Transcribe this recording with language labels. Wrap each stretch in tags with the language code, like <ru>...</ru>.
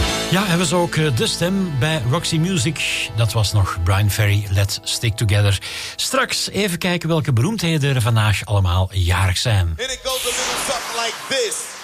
<nl>Ja, en we zagen ook de stem bij Roxy Music. Dat was nog Brian Ferry, Let's Stick Together. Straks even kijken welke beroemdheden er vandaag allemaal jarig zijn.</nl> <en>And it goes a little something like this.</en>